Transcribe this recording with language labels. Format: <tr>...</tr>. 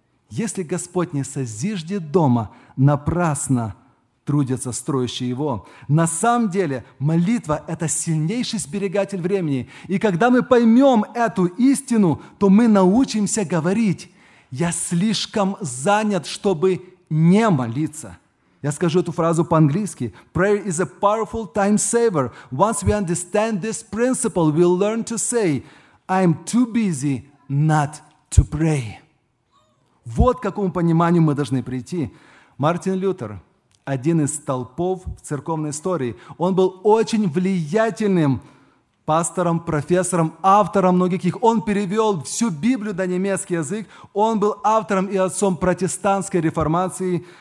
<ru>Если Господь не созиждет дома, напрасно трудятся строящие его. На самом деле молитва – это сильнейший сберегатель времени. И когда мы поймем эту истину, то мы научимся говорить: «Я слишком занят, чтобы не молиться». Я скажу эту фразу по-английски.</ru> <en>Prayer is a powerful time saver. Once we understand this principle, we'll learn to say, I'm too busy not to pray.</en> <ru>Вот к какому пониманию мы должны прийти. Мартин Лютер, один из столпов в церковной истории, он был очень влиятельным пастором, профессором, автором многих книг. Он перевел всю Библию на немецкий язык. Он был автором и отцом протестантской реформации.</ru>